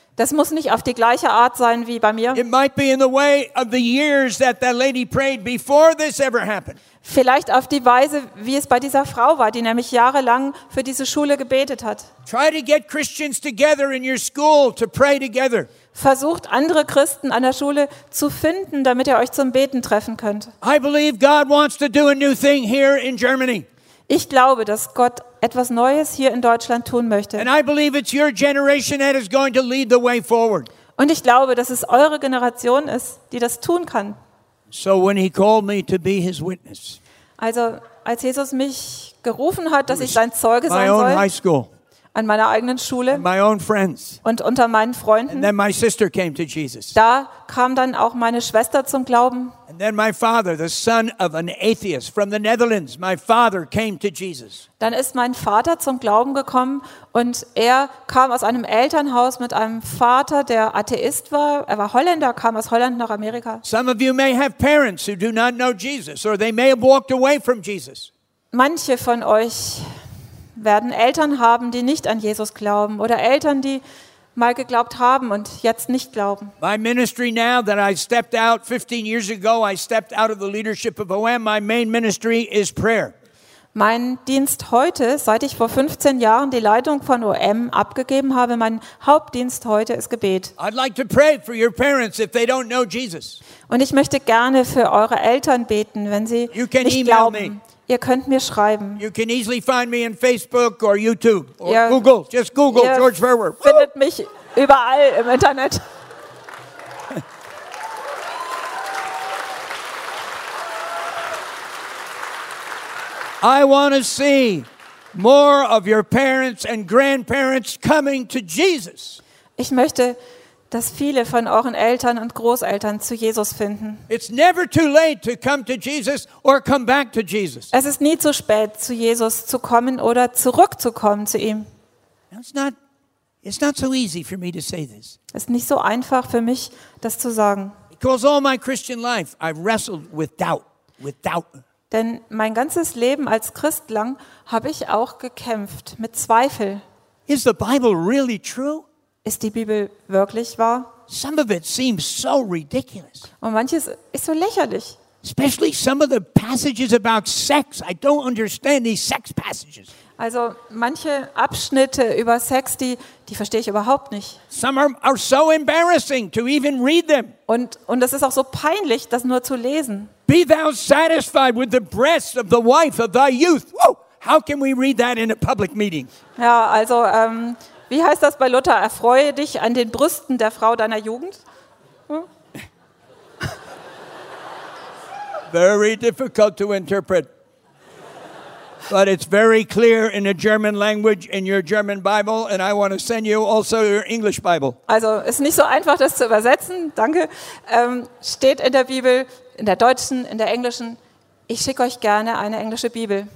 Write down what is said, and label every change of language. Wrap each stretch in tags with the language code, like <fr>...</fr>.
<de>Das muss nicht auf die gleiche Art sein wie bei mir.</de> <en>It might be in the way of the years that that lady prayed before this ever happened.</en> <de>Vielleicht auf die Weise, wie es bei dieser Frau war, die nämlich jahrelang für diese Schule gebetet hat.</de> <en>Try to get Christians together in your school to pray together.</en> <de>Versucht andere Christen an der Schule zu finden, damit ihr euch zum Beten treffen könnt.</de> <en>I believe God wants to do a new thing here in Germany.</en> <de>Ich glaube, dass Gott etwas Neues hier in Deutschland tun möchte.</de> <en>And I believe it's your generation that is going to lead the way forward.</en> <de>Und ich glaube, dass es eure Generation ist, die das tun kann.</de> <en>So when he called me to be his witness.</en> <de>Also, als Jesus mich gerufen hat, dass ich sein Zeuge sein soll.</de> <en>My own high school.</en> <de>An meiner eigenen Schule.</de> <en>And my own friends.</en> <de>Und unter meinen Freunden.</de> <en>And then my sister came to Jesus.</en> <de>Da kam dann auch meine Schwester zum Glauben.</de> <en>And then my father, the son of an atheist from the Netherlands, my father came to Jesus.</en> <de>Dann ist mein Vater zum Glauben gekommen und er kam aus einem Elternhaus mit einem Vater, der Atheist war. Er war Holländer, kam aus Holland nach Amerika.</de> <en>Some of you may have parents who do not know Jesus, or they may have walked away from Jesus.</en> <de>Manche von euch werden Eltern haben, die nicht an Jesus glauben, oder Eltern, die mal geglaubt haben und jetzt nicht glauben.</de> <en>My ministry now that I stepped out 15 years ago, I stepped out of the leadership of OM. My main ministry is prayer.</en> <de>Mein Dienst heute, seit ich vor 15 Jahren die Leitung von OM abgegeben habe, mein Hauptdienst heute ist Gebet.</de> <en>I'd like to pray for your parents if they don't know Jesus.</en> <de>Und ich möchte gerne für eure Eltern beten, wenn sie</de> <en>you can</en> <de>nicht</de> <en>email</en> <de>glauben.</de> <en>Me.</en> <de>Ihr könnt mir schreiben.</de> <en>You can easily find me in Facebook or YouTube or Google. Just Google George Ferwer.</en> <de>Findet mich überall im Internet.</de> <en>I want to see more of your parents and grandparents coming to Jesus.</en> <de>Ich möchte, dass viele von euren Eltern und Großeltern zu Jesus finden.</de> <en>It's never too late to come to Jesus or come back to Jesus.</en> <de>Es ist nie zu spät, zu Jesus zu kommen oder zurückzukommen zu ihm.</de> <en>It's not so easy for me to say this.</en> <de>Es ist nicht so einfach für mich, das zu sagen.</de> <en>Because all my Christian life I've wrestled with doubt, with doubt.</en> <de>Denn mein ganzes Leben als Christ lang habe ich auch gekämpft mit Zweifel.</de> <en>Is the Bible really true?</en> <de>Ist die Bibel wirklich wahr?</de> <en>Some of it seems so ridiculous.</en> <de>Und manches ist so lächerlich.</de> <en>Especially some of the passages about sex. I don't understand these sex passages.</en> <de>Also manche Abschnitte über Sex, die verstehe ich überhaupt nicht.</de> <en>Some are so embarrassing to even read them.</en> <de>Und das ist auch so peinlich, das nur zu lesen.</de> <en>Be thou satisfied with the breasts of the wife of thy youth. Whoa! How can we read that in a public meeting?</en> <de>Ja, also wie heißt das bei Luther? Erfreue dich an den Brüsten der Frau deiner Jugend?</de> <en>Very difficult to interpret. But it's very clear in a German language in your German Bible, and I want to send you also your English Bible.</en> <de>Also, ist nicht so einfach, das zu übersetzen. Danke. Steht in der Bibel, in der deutschen, in der englischen. Ich schicke euch gerne eine englische Bibel.</de>